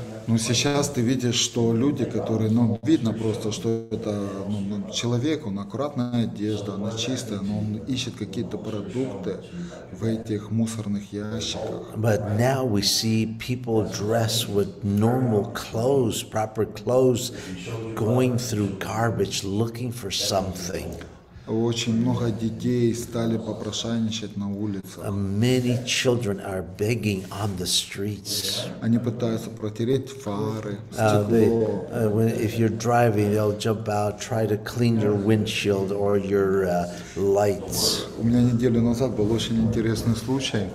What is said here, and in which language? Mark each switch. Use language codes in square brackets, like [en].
[ru] Ну, сейчас ты видишь, что люди, которые, ну, видно просто, что это, ну, человек, он аккуратная одежда, она чистая, но он ищет какие-то продукты в этих мусорных ящиках. [en] But now we see people dressed with normal clothes, proper clothes, going through garbage, looking for something. [ru] Очень много детей стали попрошайничать на улицах. [en] Many children are begging on the streets. [ru] Они пытаются протереть фары, стекло. [en] If you're driving, they'll jump out, try to clean your windshield or your lights. [ru] У меня неделю назад был очень интересный случай.